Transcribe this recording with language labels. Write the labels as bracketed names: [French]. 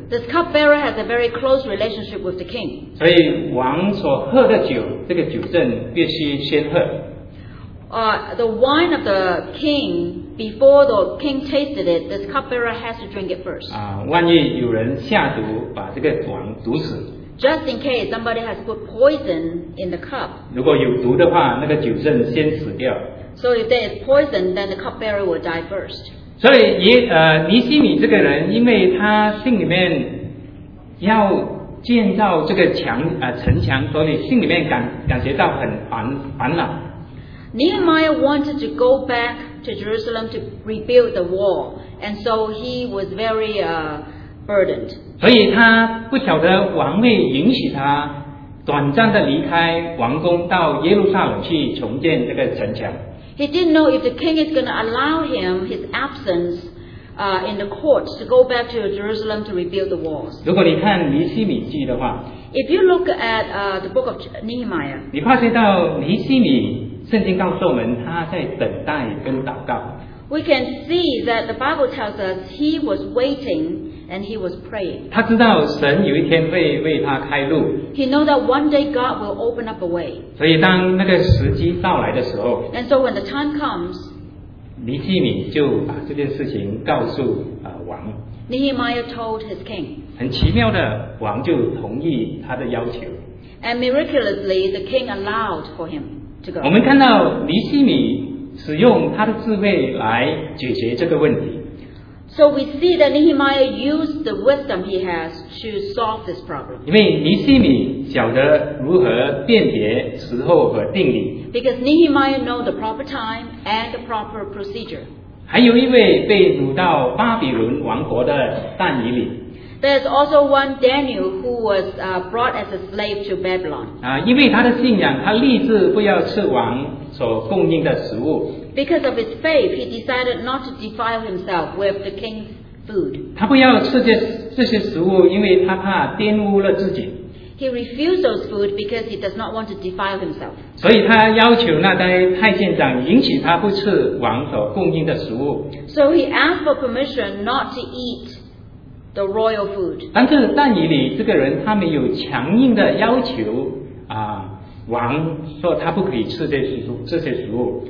[English] This cupbearer has a very close relationship with the king. [Chinese] 所以王所喝的酒，这个酒政必须先喝。 [English] The wine of the king, before the king tasted it, this cupbearer has to drink it first. [Chinese] 万一有人下毒，把这个王毒死。 [English] Just in case somebody has put poison in the cup. [Chinese] 如果有毒的话，那个酒政先死掉。 [English] So if there is poison, then the cupbearer will die first. [Chinese] 所以尼希米这个人，因为他心里面要建造这个城墙，所以心里面感觉到很烦恼。 [English] Nehemiah wanted to go back to Jerusalem to rebuild the wall, and so he was very burdened. [Chinese] 所以他不晓得王会允许他短暂的离开王宫，到耶路撒冷去重建这个城墙。 [English] He didn't know if the king is going to allow him his absence in the court to go back to Jerusalem to rebuild the walls. [Chinese] 如果你看尼希米记的话 [English] ，If you look at the book of Nehemiah， [Chinese] 你发现到尼希米。圣经告诉我们他在等待跟祷告。 [English] We can see that the Bible tells us he was waiting and he was praying. [Chinese] 他知道神有一天会为他开路。 [English] He knows that one day God will open up a way. [Chinese] 所以当那个时机到来的时候 [English] ，And so when the time comes, [Chinese] 尼希米就把这件事情告诉王。 [English] Nehemiah told his king. [Chinese] 很奇妙的，王就同意他的要求。 [English] And miraculously, the king allowed for him. [Chinese] 我们看到尼希米使用他的智慧来解决这个问题。 [English] So we see that Nehemiah used the wisdom he has to solve this problem. [Chinese] 因为尼希米晓得如何辨别时候和定理。 [English] Because Nehemiah know the proper time and the proper procedure. [Chinese] 还有一位被掳到巴比伦王国的但以理。 [English] There's also one Daniel who was brought as a slave to Babylon. [Chinese] 因为他的信仰，他立志不要吃王所供应的食物。 [English] Because of his faith, he decided not to defile himself with the king's food. [Chinese] 他不要吃这些食物，因为他怕玷污了自己。 [English] He refused those food because he does not want to defile himself. [Chinese] 所以他要求那代太监长允许他不吃王所供应的食物。 [English] So he asked for permission not to eat. The royal food. [Chinese] 但是但以理这个人他没有强硬的要求王说他不可以吃这些食物。